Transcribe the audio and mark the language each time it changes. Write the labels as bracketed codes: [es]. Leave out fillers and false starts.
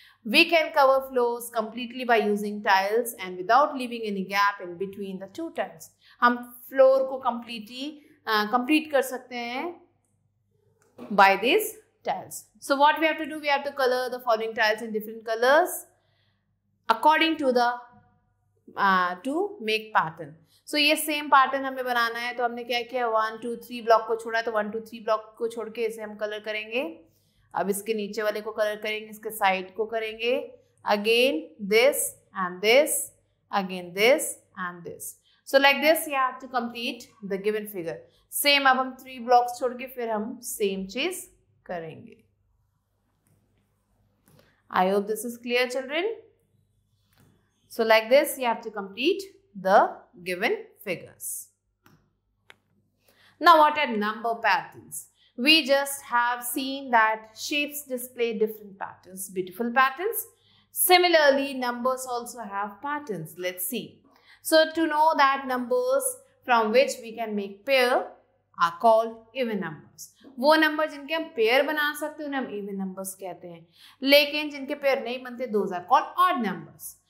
[en] We can cover floors completely by using tiles and without leaving any gap in between the two tiles. Hum floor ko completely complete [hi] kar sakte hain [en] by these tiles. So what we have to do, we have to color the following tiles in different colors according to the to make pattern. [hi] So ये same pattern हमें बनाना है, तो हमने क्या किया, 1, 2, 3 block को छोड़ा, तो 1, 2, 3 block को छोड़ के इसे हम color करेंगे. अब इसके नीचे वाले को color करेंगे, इसके side को करेंगे, [en] again this and this, again this and this. So like this you have to complete the given figure. [hi] Same अब हम 3 blocks छोड़ के फिर हम same चीज करेंगे. [en] I hope this is clear, children. So like this you have to complete the given figures. Now what are number patterns? We just have seen that shapes display different patterns, beautiful patterns. Similarly numbers also have patterns. Let's see. So to know that numbers from which we can make pair are called even numbers. [hi] वो number जिनके हम pair बना सकते हैं उन्हें हम even numbers कहते हैं. लेकिन जिनके पेयर नहीं बनते [en] Those are called odd numbers.